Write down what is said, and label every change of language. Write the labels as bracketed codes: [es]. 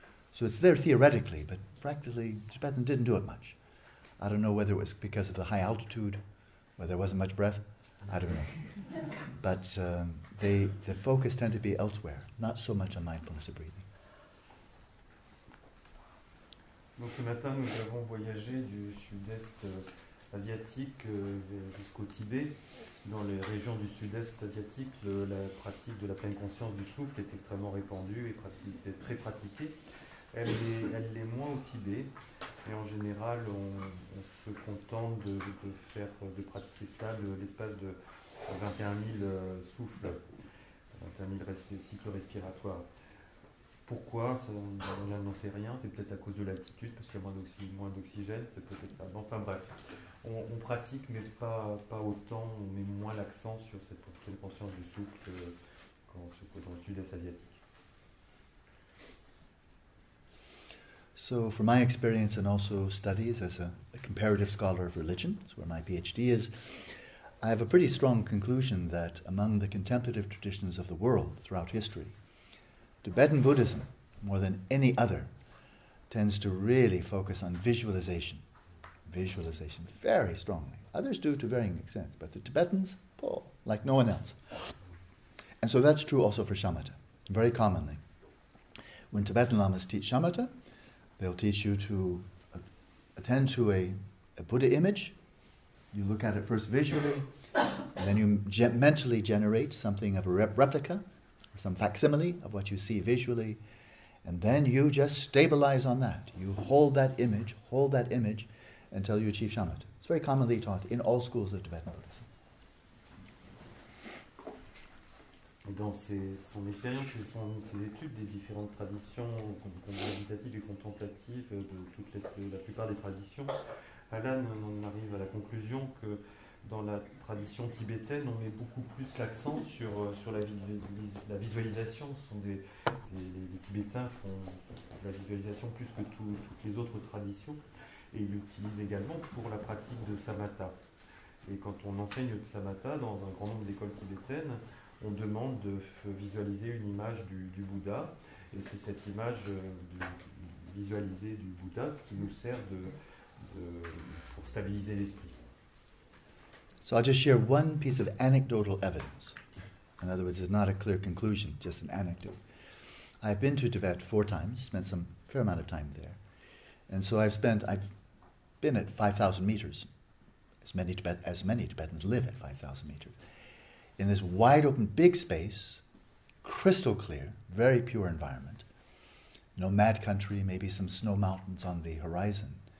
[en] So it's there theoretically, but practically, Tibetans didn't do it much. I don't know whether it was because of the high altitude, where there wasn't much breath. I don't know. But the focus tended to be elsewhere, not so much on mindfulness of breathing. [fr] Donc ce matin, nous avons voyagé du sud-est asiatique jusqu'au Tibet. Dans les régions du sud-est asiatique, la pratique de la pleine conscience du souffle est extrêmement répandue et très pratiquée. Elle l'est moins au Tibet. Et en général, on se contente de pratiquer cela de l'espace de 21 000 souffles, 21 000 cycles respiratoires. Pourquoi ça, on n'en sait rien. C'est peut-être à cause de l'altitude, parce qu'il y a moins d'oxygène, c'est peut-être ça. Enfin bref, on pratique, mais pas autant, on met moins l'accent sur cette pleine conscience du souffle qu'en ce côté dans le sud-est asiatique. [en] So from my experience and also studies as a comparative scholar of religion, that's where my PhD is, I have a pretty strong conclusion that among the contemplative traditions of the world throughout history, Tibetan Buddhism, more than any other, tends to really focus on visualization very strongly. Others do to varying extents, but the Tibetans, oh, like no one else. And so that's true also for shamatha, very commonly. When Tibetan lamas teach shamatha, they'll teach you to attend to a Buddha image. You look at it first visually, and then you mentally generate something of a replica, some facsimile of what you see visually, and then you just stabilize on that. You hold that image until you achieve shamatha. It's very commonly taught in all schools of Tibetan Buddhism. [fr] Dans son expérience et ses études des différentes traditions contemplatives et contemplatives de la plupart des traditions, Alan en arrive à la conclusion que dans la tradition tibétaine, on met beaucoup plus l'accent sur la visualisation. Ce sont les Tibétains font la visualisation plus que toutes les autres traditions, et ils l'utilisent également pour la pratique de samatha. Et quand on enseigne le samatha dans un grand nombre d'écoles tibétaines, on demande de visualiser une image du Bouddha, et c'est cette image visualisée du Bouddha qui nous sert pour stabiliser l'esprit. [en] So I'll just share one piece of anecdotal evidence. In other words, it's not a clear conclusion, just an anecdote. I've been to Tibet 4 times, spent some fair amount of time there. And so I've been at 5,000 meters, as many Tibetans live at 5,000 meters, in this wide open, big space, crystal clear, very pure environment, nomad country, maybe some snow mountains on the horizon.